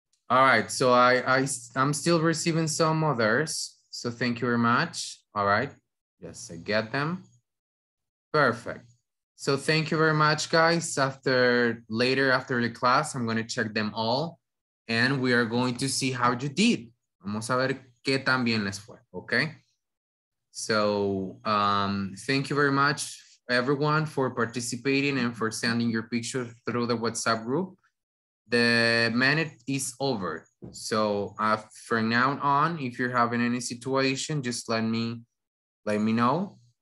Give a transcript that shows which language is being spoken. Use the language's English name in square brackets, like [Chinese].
[English] All right. So I'm still receiving some others. So thank you very much. All right. Yes, I get them. Perfect. So thank you very much, guys. Later after the class, I'm going to check them all. And we are going to see how you did. [Spanish] Vamos a ver qué tan bien les fue. [English] Okay. So thank you very much, everyone, for participating and for sending your picture through the WhatsApp group. The minute is over. So from now on, if you're having any situation, just let me know.